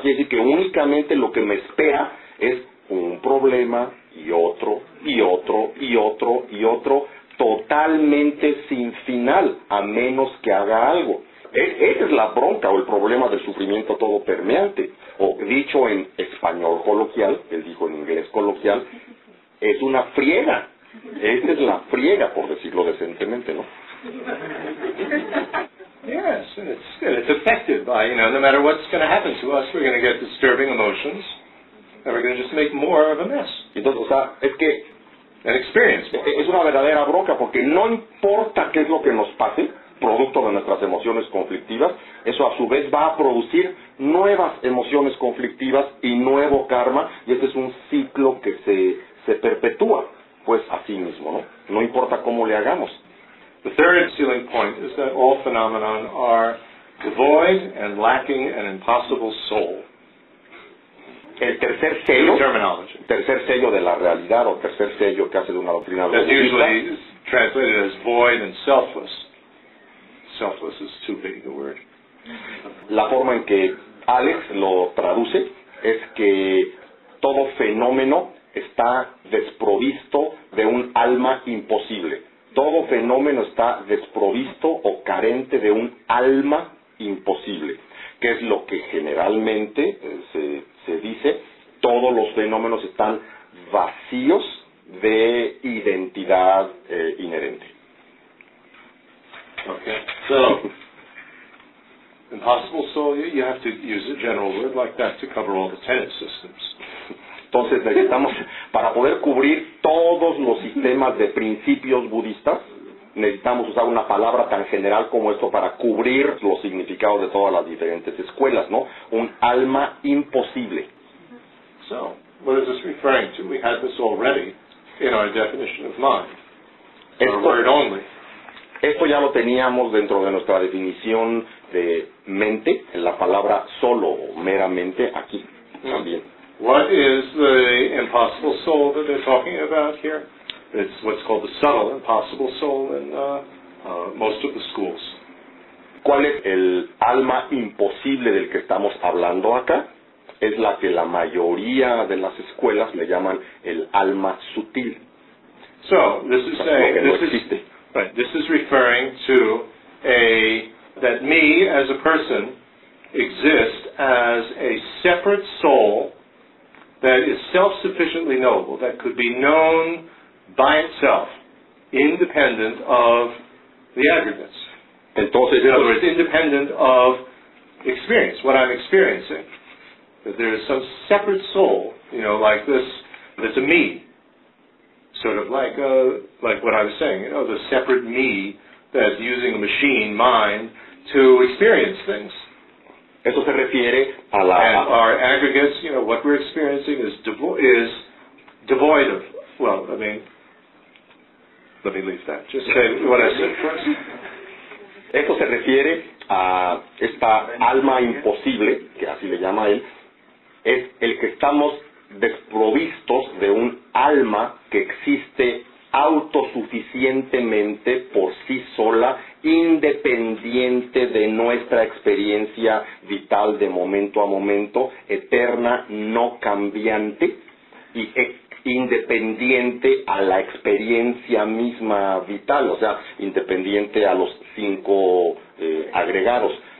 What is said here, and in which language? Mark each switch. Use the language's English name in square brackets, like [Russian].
[Spanish] Quiere decir que únicamente lo que me espera es un problema y otro, y otro, y otro, y otro, totalmente sin final, a menos que haga algo. Esa es la bronca o el problema del sufrimiento todo permeante. O dicho en español coloquial, él dijo en inglés coloquial, es una friega. Esa es la friega, por decirlo decentemente, ¿no? [English] Yes, it's affected by, you know, no matter what's going to happen to us, we're going to get disturbing emotions, and we're going to just make more of a mess. [Spanish] Entonces, o sea, es que... [English] An experience. [Spanish] Es una verdadera bronca porque no importa qué es lo que nos pase, producto de nuestras emociones conflictivas, eso a su vez va a producir nuevas emociones conflictivas y nuevo karma, y este es un ciclo que se perpetúa, pues así mismo, ¿no? No importa cómo le hagamos. [English] The third ceiling point is that all phenomena are devoid and lacking an impossible soul. [Spanish] El tercer sello, de la realidad o tercer sello que hace de una doctrina [English] logística, that's usually translated as void and selfless. Selfless is too big a word. [Spanish] La forma en que Alex lo traduce es que todo fenómeno está desprovisto de un alma imposible. Todo fenómeno está desprovisto o carente de un alma imposible, que es lo que generalmente se dice, todos los fenómenos están vacíos de identidad inherente. [English] Okay, so, impossible soul, you have to use a general word like that to cover all the tenet systems. [Spanish] Entonces necesitamos, para poder cubrir todos los sistemas de principios budistas, necesitamos usar una palabra tan general como esto para cubrir los significados de todas las diferentes escuelas, ¿no? Un alma imposible. [English] So, what is this referring to? We had this already in our definition of mind. [Spanish] Esto ya lo teníamos dentro de nuestra definición de mente, en la palabra solo, meramente, aquí también. [English] What is the impossible soul that they're talking about here? It's what's called the subtle impossible soul in most of the schools. [Spanish] ¿Cuál es el alma imposible del que estamos hablando acá? Es la que la mayoría de las escuelas le llaman el alma sutil. [English] So, this is saying, no this, is, right, this is referring to a that me as a person exists as a separate soul that is self-sufficiently knowable, that could be known by itself, independent of the aggregates. [Spanish] Entonces, [English] in other words, independent of experience, what I'm experiencing. That there is some separate soul, you know, like this, that's a me. Sort of like what I was saying, you know, the separate me that's using a machine, mind, to experience things. [Spanish] Esto se refiere a la... [English] And our aggregates, you know, what we're experiencing is devoid of, well, I mean, let me leave that. Just say what I said first. [Spanish] Esto se refiere a esta alma imposible, que así le llama él, es el que estamos desprovistos de un alma que existe autosuficientemente por sí sola, independiente de nuestra experiencia vital de momento a momento, eterna, no cambiante y independiente a la experiencia misma vital, o sea, independiente a los cinco agregados.